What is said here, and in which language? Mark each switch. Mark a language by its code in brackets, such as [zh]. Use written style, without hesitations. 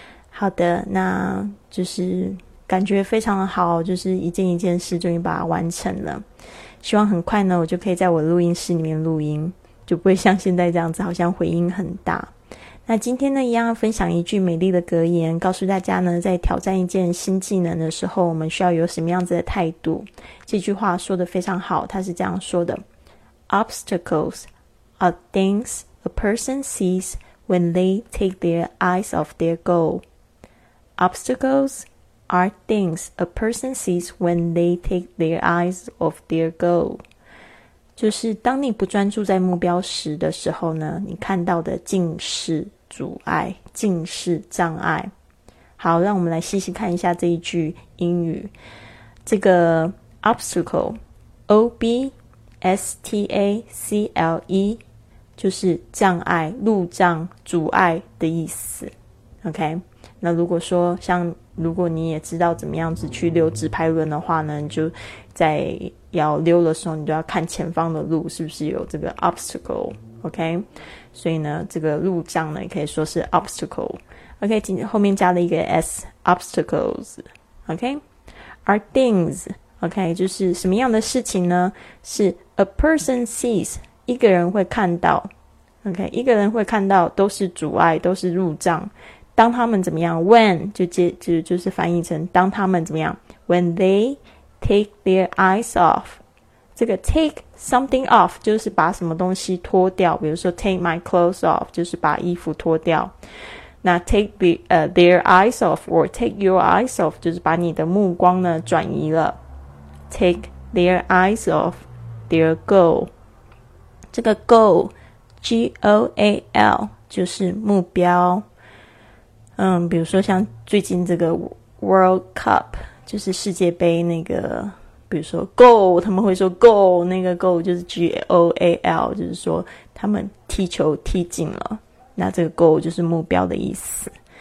[zh] 好的，那就是感觉非常的好，就是一件一件事终于把它完成了，希望很快呢我就可以在我录音室里面录音，就不会像现在这样子好像回音很大。那今天呢一样分享一句美丽的格言，告诉大家呢在挑战一件新技能的时候我们需要有什么样子的态度。这句话说得非常好，它是这样说的， [en] Obstacles are things a person sees when they take their eyes off their goal. Obstacles are things a person sees when they take their eyes off their goal. [zh] 就是当你不专注在目标时的时候呢，你看到的尽是阻碍，尽是障碍。好，让我们来细细看一下这一句英语。这个 obstacle， O-B-S-T-A-C-L-E， 就是障碍、路障、阻碍的意思。 OK， 那如果说像如果你也知道怎么样子去溜直排轮的话呢，你就在要溜的时候你就要看前方的路是不是有这个 obstacle， OK， 所以呢这个路障呢也可以说是 obstacle， OK， 后面加了一个 s， obstacles， OK， are things， OK， 就是什么样的事情呢，是 [en] a person sees， [zh] 一个人会看到， OK， 一个人会看到都是阻碍，都是路障。当他们怎么样， when 就是翻译成当他们怎么样， [en] when theyTake their eyes off， [zh] 这个 take something off 就是把什么东西脱掉，比如说 [en] take my clothes off [zh] 就是把衣服脱掉，那 [en] take their eyes off [zh] or take your eyes off 就是把你的目光呢转移了， [en] take their eyes off their goal， [zh] 这个 goal G-O-A-L 就是目标。比如说像最近这个 World Cup就是世界杯那个，比如说 goal， 他们会说 goal， 那个 goal 就是 G-O-A-L， 就是说他们踢球踢进了，那这个 goal 就是目标的意思。